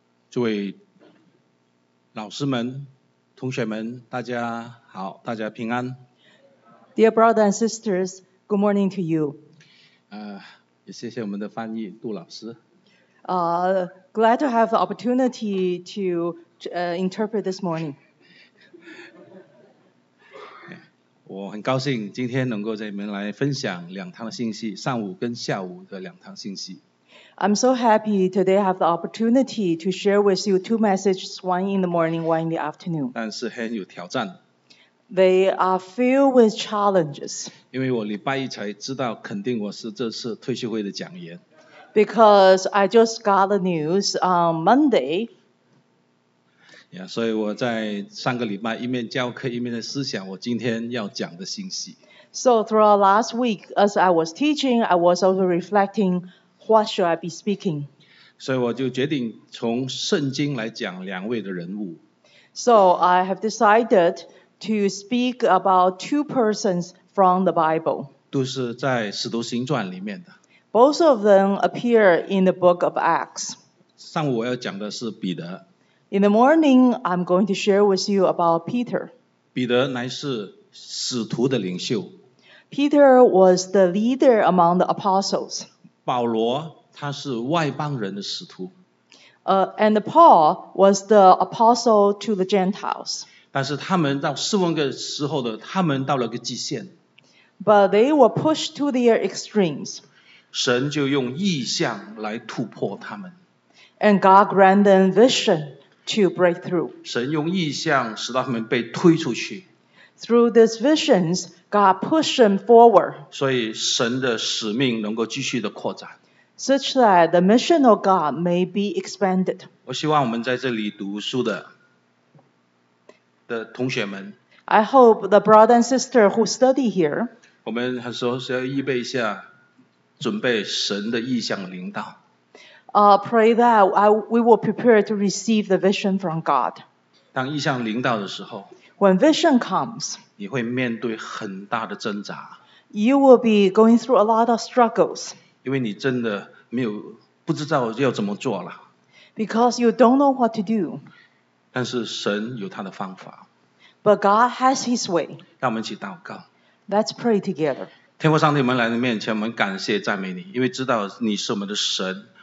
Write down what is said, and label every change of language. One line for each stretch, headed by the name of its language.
Chinese: 诸位老师们、同学们，大家好，大家平安。
English: Dear brothers and sisters, good morning to you.
Chinese: 也谢谢我们的翻译杜老师。
English: Glad to have the opportunity to interpret this morning.
Chinese: 我很高兴今天能够在你们来分享两堂信息，上午跟下午的两堂信息。
English: I'm so happy today I have the opportunity to share with you two messages, one in the morning, one in the afternoon.
Chinese: 但是很有挑战。
English: They are filled with challenges.
Chinese: 因为我礼拜一才知道肯定我是这次退休会的讲员。
English: Because I just got the news on Monday.
Chinese: Yeah, 所以我在上个礼拜一面教课一面的思想我今天要讲的信息。
English: So throughout last week, as I was teaching, I was also reflecting,What should I be speaking?
Chinese: 所以我就决定从圣经来讲两位的人物。
English: So I have decided to speak about two persons from the Bible.
Chinese: 都是在使徒行传里面的。
English: Both of them appear in the book of Acts.
Chinese: 上午我要讲的是彼得。
English: In the morning, I'm going to share with you about Peter.
Chinese: 彼得乃是使徒的领袖。
English: Peter was the leader among the apostles.
Chinese: 保罗他是外邦人的使徒。
English: And Paul was the apostle to the Gentiles.
Chinese: 但是他们到侍奉的时候的他们到了个极限。
English: But they were pushed to their extremes.
Chinese: 神就用异象来突破他们。
English: And God granted them vision to break through.
Chinese: 神用异象使他们被推出去。
English: Through these visions, God pushed them forward.
Chinese: 所以神的使命能够继续的扩展。
English: Such that the mission of God may be expanded.
Chinese: 我希望我们在这里读书的同学们。
English: I hope the brother and sister who study here.
Chinese: 我们很多时候要预备一下，准备神的意向领导。
English: Pray that we will prepare to receive the vision from God.
Chinese: 当意向领导的时候。
English: When vision comes,
Chinese: 你会面对很大的挣扎。
English: You will be going through a lot of struggles.
Chinese: 因为你真的没有不知道要怎么做了。
English: Because you don't know what to do.
Chinese: 但是神有他的方法。
English: But God has His way.
Chinese: 让我们一起祷告。
English: Let's pray together.
Chinese: 天父上帝，我们来到面前，我们感谢赞美你，因为知道你是我们的神。